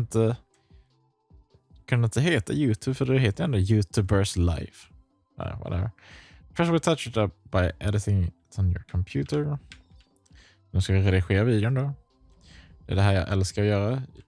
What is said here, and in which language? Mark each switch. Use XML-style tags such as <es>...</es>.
<sv>Varför kunde inte heta YouTube? För det heter ändå YouTubers Live.</sv> <en>Whatever. First we touch it up by editing it on your computer.</en> <sv>Nu ska jag redigera videon då. Det är det här jag älskar att göra.</sv>